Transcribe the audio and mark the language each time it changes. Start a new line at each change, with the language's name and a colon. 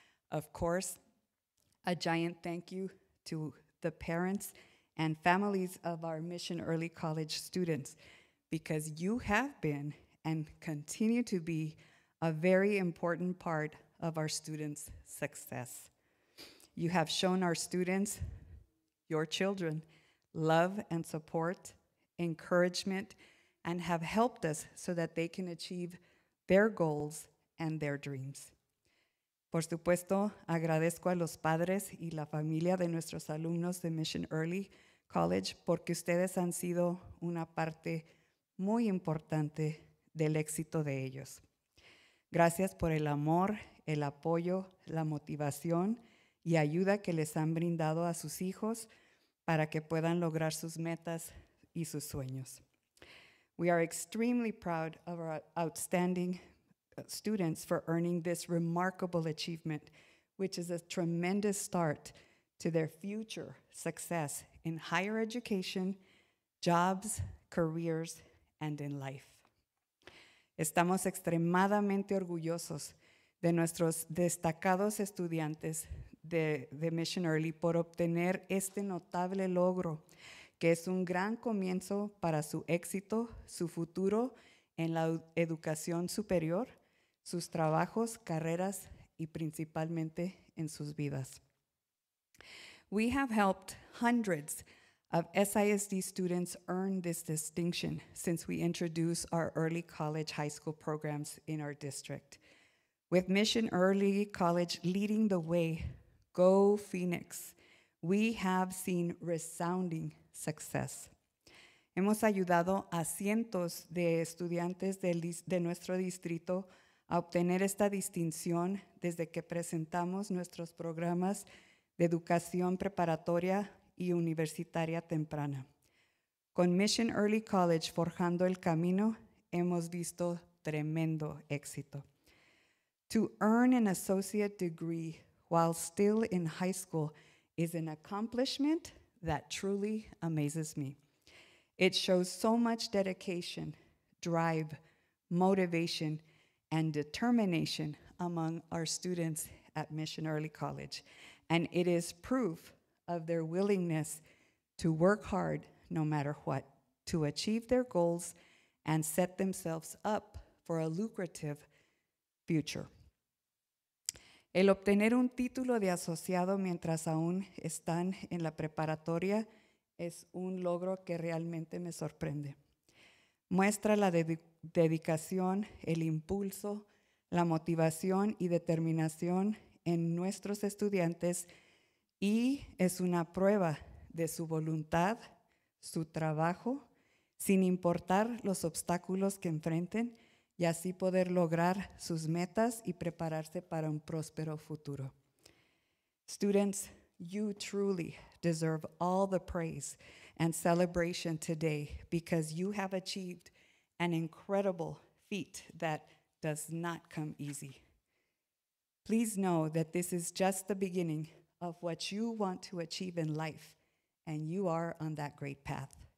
English: Of course, a giant thank you to the parents and families of our Mission Early College students, because you have been and continue to be a very important part of our students' success. You have shown our students, your children, love and support, encouragement, and have helped us so that they can achieve their goals and their dreams.
Spanish: Por supuesto, agradezco a los padres y la familia de nuestros alumnos de Mission Early College porque ustedes han sido una parte muy importante del éxito de ellos. Gracias por el amor, el apoyo, la motivación y ayuda que les han brindado a sus hijos para que puedan lograr sus metas y sus sueños.
English: We are extremely proud of our outstanding students for earning this remarkable achievement, which is a tremendous start to their future success in higher education, jobs, careers, and in life.
Spanish: Estamos extremadamente orgullosos de nuestros destacados estudiantes de Mission Early por obtener este notable logro, que es un gran comienzo para su éxito, su futuro en la educación superior, sus trabajos, carreras, y principalmente en sus vidas.
English: We have helped hundreds of SISD students earn this distinction since we introduced our early college high school programs in our district. With Mission Early College leading the way, go Phoenix, we have seen resounding success.
Spanish: Hemos ayudado a cientos de estudiantes de nuestro distrito a obtener esta distinción desde que presentamos nuestros programas de educación preparatoria y universitaria temprana. Con Mission Early College forjando el camino, hemos visto tremendo éxito.
English: To earn an associate degree while still in high school is an accomplishment that truly amazes me. It shows so much dedication, drive, motivation, and determination among our students at Mission Early College. And it is proof of their willingness to work hard no matter what, to achieve their goals and set themselves up for a lucrative future.
Spanish: El obtener un título de asociado mientras aún están en la preparatoria es un logro que realmente me sorprende. Muestra la dedicación, el impulso, la motivación y determinación en nuestros estudiantes y es una prueba de su voluntad, su trabajo, sin importar los obstáculos que enfrenten y así poder lograr sus metas y prepararse para un próspero futuro.
English: Students, you truly deserve all the praise and celebration today because you have achieved an incredible feat that does not come easy. Please know that this is just the beginning of what you want to achieve in life, and you are on that great path.